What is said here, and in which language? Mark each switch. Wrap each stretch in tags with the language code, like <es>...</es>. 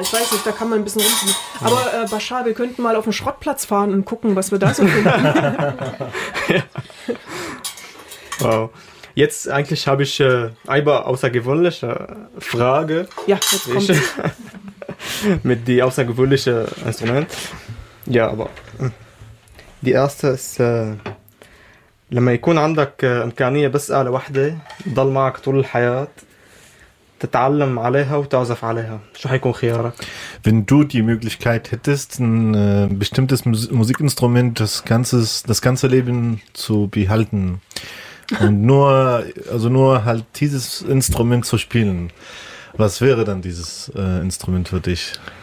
<de>Ich weiß nicht, da kann man ein bisschen rumziehen. Aber Bashar, wir könnten mal auf den Schrottplatz fahren und gucken, was wir da so finden. Ja. Wow. Jetzt eigentlich habe ich eine außergewöhnliche Frage. Ja, jetzt kommt es. Mit dem außergewöhnlichen Instrument. Ja, aber die erste ist,</de> <ar>لما يكون عندك إمكانية بس آلة واحدة ضل معك طول الحياة تتعلم عليها وتعزف عليها. شو حيكون خيارك؟</ar> <de>Wenn du die Möglichkeit hättest, ein bestimmtes Musikinstrument das ganze Leben zu behalten und nur halt dieses Instrument zu spielen, was wäre dann dieses Instrument für dich?</de>